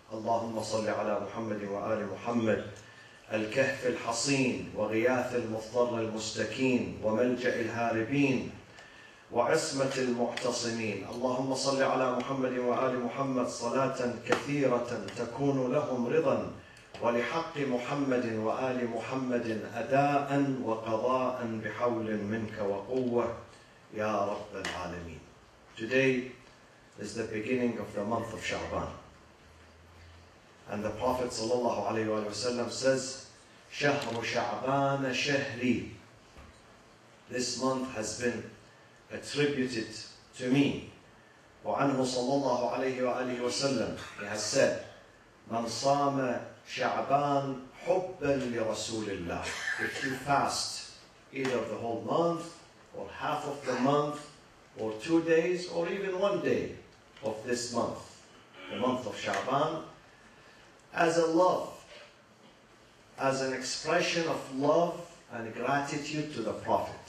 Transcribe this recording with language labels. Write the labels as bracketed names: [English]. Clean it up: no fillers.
[Arabic] اللهم صل على محمد وآل محمد الكهف الحصين وغياث المضطر المستكين وملجأ الهاربين وعصمة المعتصمين. اللهم صل على محمد وآل محمد صلاة كثيرة تكون لهم رضا ولحق محمد وآل محمد أداء وقضاء بحول منك وقوة يا رب العالمين. [English] Today is the beginning of the month of Sha'ban. And the Prophet sallallahu alayhi wa sallam says, [Arabic] شهر شعبان شهري. [English] This month has been attributed to me. [Arabic] وعنه صلى الله عليه وآله وسلم, [English] he has said, [Arabic] من صام شعبان حبا لرسول الله. [English] If you fast either the whole month or half of the month or 2 days or even 1 day of this month, the month of شعبان, as a love, as an expression of love and gratitude to the Prophet.